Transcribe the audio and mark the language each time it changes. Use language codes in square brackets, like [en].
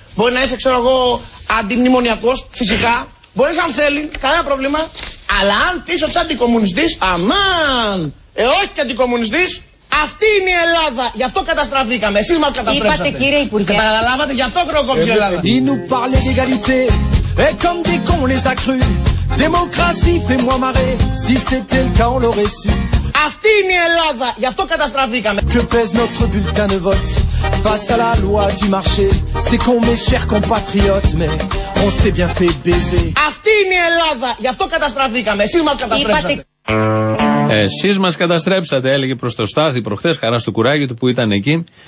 [el] Μπορεί να είσαι, ξέρω εγώ, αντιμνημονιακός, φυσικά. Μπορείς αν θέλει, κανένα πρόβλημα. Αλλά αν πεις ότι είσαι αντικομουνιστής, αμάν! Όχι και αντικομουνιστής. Αυτή είναι η Ελλάδα. Γι' αυτό καταστραφήκαμε. Εσείς μας καταστρέψατε. Είπατε, κύριε Υπουργέ. Καταλάβατε, γι' αυτό χρεοκόπησε η Ελλάδα. [fr] Ils nous parlent d'égalité. Et comme des cons, on les a cru. Démocratie, fais-moi marrer. Si c'était le cas, on l'aurait su. [el] Αυτή είναι η Ελλάδα. Γι' αυτό καταστραφήκαμε. [fr] Que pèse notre bulletin de vote. Face à la loi du marché. C'est qu'on mes chers compatriotes. Mais on s'est bien fait baiser. [el] Αυτή είναι η Ελλάδα. Γι' αυτό καταστραφήκαμε. Εσείς μας καταστρέψατε. Εσείς μας καταστρέψατε, έλεγε προς το Στάθη προχθές, χαρά στο κουράγιο του που ήταν εκεί.